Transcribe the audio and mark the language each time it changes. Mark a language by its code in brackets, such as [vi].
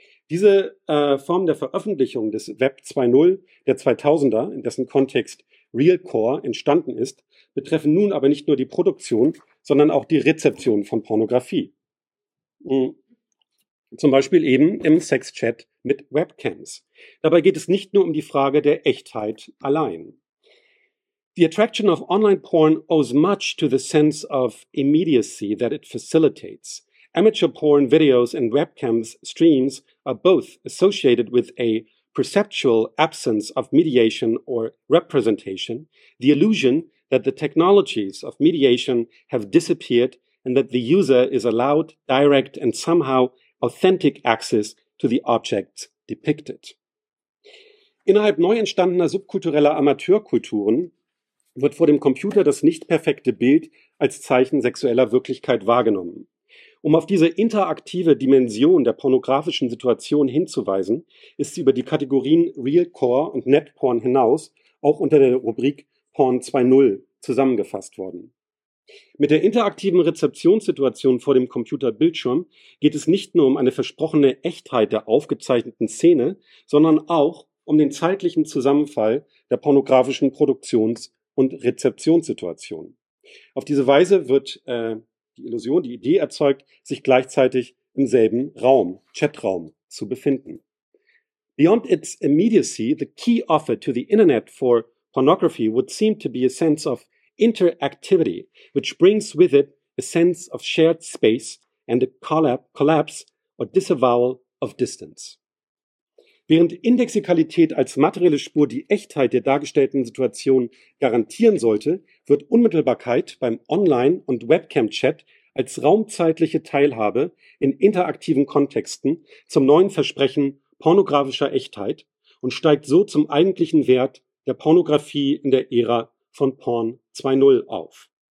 [de] Diese Form der Veröffentlichung des Web 2.0 der 2000er, in dessen Kontext Realcore entstanden ist, betreffen nun aber nicht nur die Produktion, sondern auch die Rezeption von Pornografie. Zum Beispiel eben im Sexchat mit Webcams. Dabei geht es nicht nur um die Frage der Echtheit allein. [en] The attraction of online porn owes much to the sense of immediacy that it facilitates. Amateur porn videos and webcams streams are both associated with a perceptual absence of mediation or representation, the illusion that the technologies of mediation have disappeared and that the user is allowed direct and somehow authentic access to the objects depicted. [de] Innerhalb neu entstandener subkultureller Amateurkulturen wird vor dem Computer das nicht perfekte Bild als Zeichen sexueller Wirklichkeit wahrgenommen. Um auf diese interaktive Dimension der pornografischen Situation hinzuweisen, ist sie über die Kategorien Realcore und Netporn hinaus auch unter der Rubrik Porn 2.0 zusammengefasst worden. Mit der interaktiven Rezeptionssituation vor dem Computerbildschirm geht es nicht nur um eine versprochene Echtheit der aufgezeichneten Szene, sondern auch um den zeitlichen Zusammenfall der pornografischen Produktions- und Rezeptionssituation. Auf diese Weise wird die Illusion, die Idee erzeugt, sich gleichzeitig im selben Raum, Chatraum, zu befinden. [en] Beyond its immediacy, the key offer to the internet for pornography would seem to be a sense of interactivity, which brings with it a sense of shared space and a collapse or disavowal of distance. [de] Während Indexikalität als materielle Spur die Echtheit der dargestellten Situation garantieren sollte, wird Unmittelbarkeit beim Online- und Webcam-Chat als raumzeitliche Teilhabe in interaktiven Kontexten zum neuen Versprechen pornografischer Echtheit und steigt so zum eigentlichen Wert der Pornografie in der Ära von Porn 2.0 auf.